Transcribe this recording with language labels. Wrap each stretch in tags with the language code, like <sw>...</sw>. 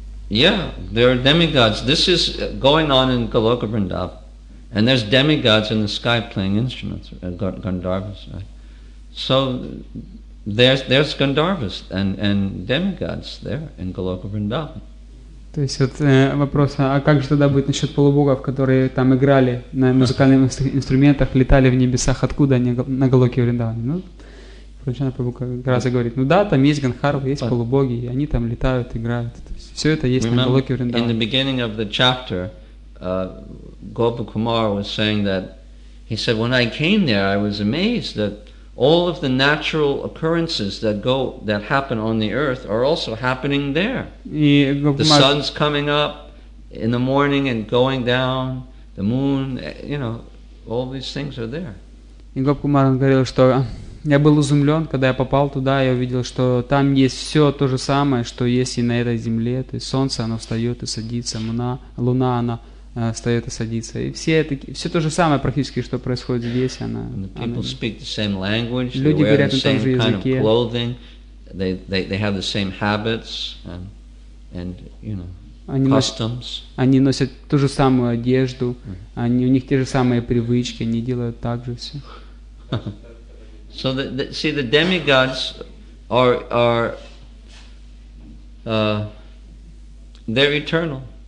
<en>Yeah, there are demigods. This is going on in Goloka Vrindavan. And there's demigods in the sky playing instruments, Gandharvas, right? So there's Gandharvas and demigods there in Goloka Vrindavan.</en> <ru>То есть вот вопрос, а как же тогда будет насчет полубогов, которые там играли на музыкальных инструментах, летали в небесах, откуда они на Голоке Вриндаване? Ну, Прачана Прабхупада говорит, ну да, там есть Гандхарва, есть полубоги, и они там летают, играют. То есть все это есть на Голоке Вриндаване.</ru> <en>In the beginning of the chapter, Gopa Kumara was saying that, he said, when I came there, I was amazed that all of the natural occurrences that happen on the earth are also happening there. The sun's coming up in the morning and going down, the moon, you know, all these things are there.</en> <ru>И Гопа Кумара говорил, что я был изумлен, когда я попал туда, я увидел, что там есть все то же самое, что есть и на этой земле. То есть солнце, оно встает и садится, луна, она встает и садится. И все то же самое практически, что происходит здесь. Люди говорят на том же языке.</ru> <en>They have the same habits and you know,</en> <ru>они</ru> <en>customs.</en> <ru>Они носят ту же самую одежду, у них те же самые привычки, они делают так же все.</ru> <en>So the demigods they're eternal.</en>